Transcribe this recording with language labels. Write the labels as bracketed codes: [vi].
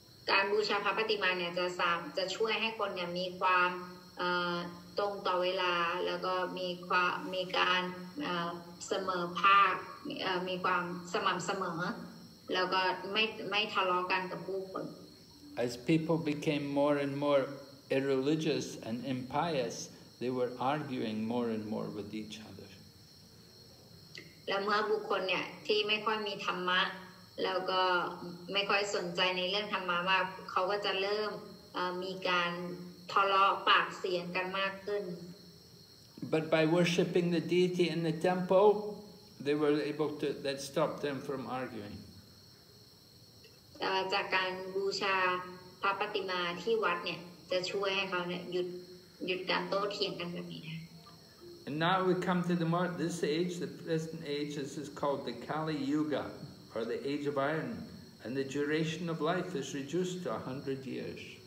[th] การบูชาพระปฏิมาเนี่ยจะช่วยให้คนเนี่ยมีความตรงต่อเวลาแล้วก็มีการเสมอภาคมีความสม่ำเสมอแล้วก็ไม่ทะเลาะกันกับผู้คน [en] As people became more and moreirreligious and impious, they were arguing more and more with each other. [th] แล้วเมื่อบุคคลเนี่ยที่ไม่ค่อยมีธรรมะแล้วก็ไม่ค่อยสนใจในเรื่องธรรมะมากเขาก็จะเริ่มมีการทะเลาะปากเสียงกันมากขึ้น [en] But by worshipping the deity in the temple, they were able to that stopped them from arguing. [th] จากการบูชาพระปฏิมาที่วัดเนี่ยจะช่วยให้เขาเนี่ยหยุดการโต้เถียงกันแบบนี้นะ [en] And now we come to the more this age the present age this is called the Kali Yuga or the age of iron and the duration of life is reduced to 100 years